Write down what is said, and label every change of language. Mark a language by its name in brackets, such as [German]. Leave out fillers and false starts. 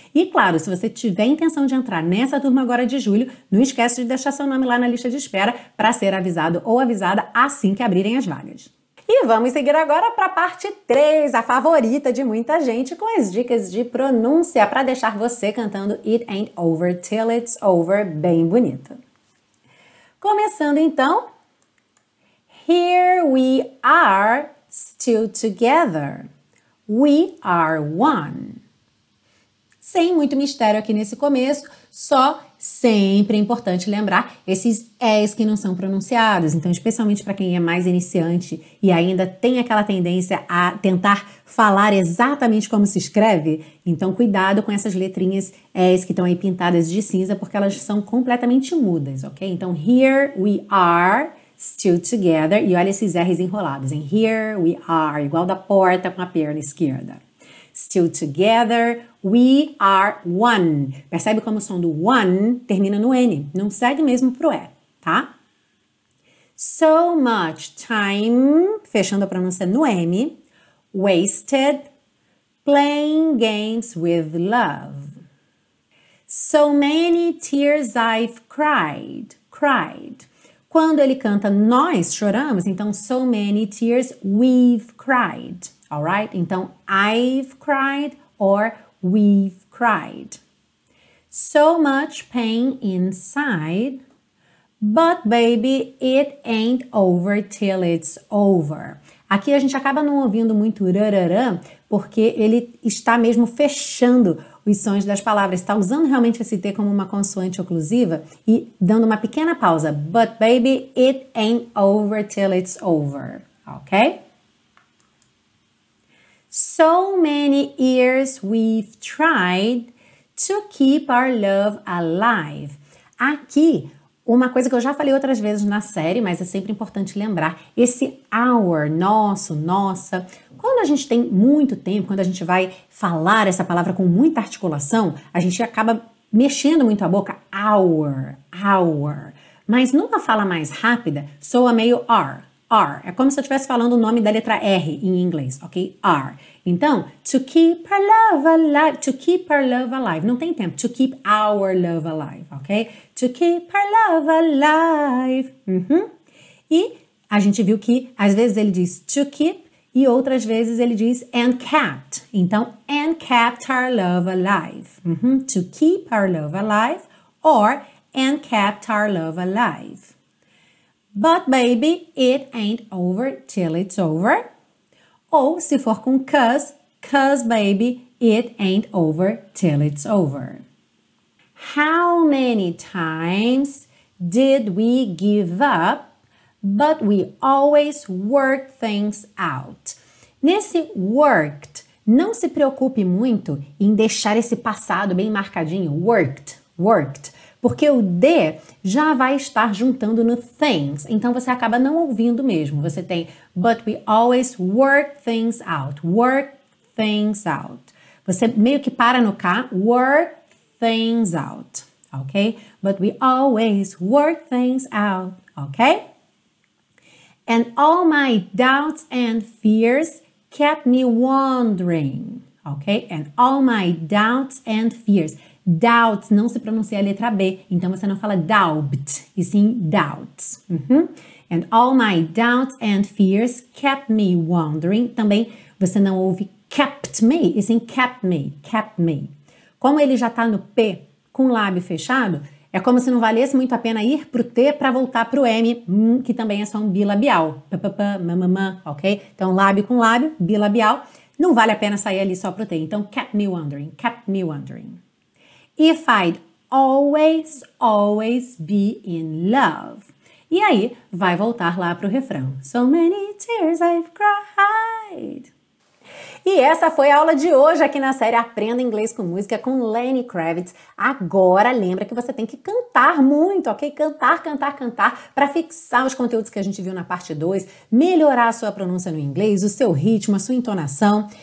[Portuguese] E claro, se você tiver intenção de entrar nessa turma agora de julho, não esquece de deixar seu nome lá na lista de espera para ser avisado ou avisada assim que abrirem as vagas. E vamos seguir agora para a parte 3, a favorita de muita gente, com as dicas de pronúncia para deixar você cantando It Ain't Over Till It's Over bem bonito. Começando então... [English] Here we are still together. We are one. [Portuguese] Sem muito mistério aqui nesse começo, só sempre é importante lembrar esses S que não são pronunciados. Então, especialmente para quem é mais iniciante e ainda tem aquela tendência a tentar falar exatamente como se escreve, então cuidado com essas letrinhas S que estão aí pintadas de cinza, porque elas são completamente mudas, ok? Então, [English] here we are still together, [Portuguese] e olha esses R's enrolados, em [English] here we are, [Portuguese] igual da porta com a perna esquerda. [English] Still together, we are one. [Portuguese] Percebe como o som do one termina no N, não segue mesmo pro E, tá? [English] So much time, [Portuguese] fechando a pronúncia no M, [English] wasted, playing games with love. So many tears I've cried. [Portuguese] Quando ele canta, nós choramos, então, [English] so many tears we've cried, alright? [Portuguese] Então, [English] I've cried or we've cried. So much pain inside, But baby, it ain't over till it's over. [Portuguese] Aqui a gente acaba não ouvindo muito rararã, porque ele está mesmo fechando os sons das palavras, está usando realmente esse T como uma consoante oclusiva e dando uma pequena pausa. [English] But baby, it ain't over till it's over, ok? So many years we've tried to keep our love alive. [Portuguese] Aqui, uma coisa que eu já falei outras vezes na série, mas é sempre importante lembrar, esse our, nosso, nossa, quando a gente tem muito tempo, quando a gente vai falar essa palavra com muita articulação, a gente acaba mexendo muito a boca, our, our, mas numa fala mais rápida, soa meio r, r, é como se eu estivesse falando o nome da letra r em inglês, ok, r, então, [English] to keep our love alive, [Portuguese] to keep our love alive, não tem tempo, to keep our love alive, ok, to keep our love alive, uhum. E a gente viu que às vezes ele diz to keep e outras vezes ele diz and kept, então, [English] and kept our love alive, [Portuguese] uhum. [English] To keep our love alive, or and kept our love alive. But baby, it ain't over till it's over. [Portuguese] Ou se for com [English] cause baby, it ain't over till it's over. How many times did we give up, but we always work things out? [Portuguese] Nesse worked, não se preocupe muito em deixar esse passado bem marcadinho, worked, worked. Porque o D já vai estar juntando no things. Então, você acaba não ouvindo mesmo. Você tem, [English] but we always work things out. Work things out. [Portuguese] Você meio que para no K. [English] Work things out. Ok? But we always work things out. Ok? And all my doubts and fears kept me wandering. Ok? And all my doubts and fears. [Portuguese] Doubts, não se pronuncia a letra B, então você não fala doubt, e sim doubts. Uhum. [English] And all my doubts and fears kept me wandering. [Portuguese] Também você não ouve [English] kept me, [Portuguese] e sim kept me, kept me. Como ele já está no P com o lábio fechado, é como se não valesse muito a pena ir para o T para voltar para o M, que também é só um bilabial. P-p-p, ma-ma-ma, ok? Então, lábio com lábio, bilabial. Não vale a pena sair ali só para o T. Então, [English] kept me wandering, kept me wandering. If I'd always, always be in love. [Portuguese] E aí, vai voltar lá pro refrão. [English] So many tears I've cried. [Portuguese] E essa foi a aula de hoje aqui na série Aprenda Inglês com Música com Lenny Kravitz. Agora, lembra que você tem que cantar muito, ok? Cantar, cantar, cantar, para fixar os conteúdos que a gente viu na parte 2, melhorar a sua pronúncia no inglês, o seu ritmo, a sua entonação.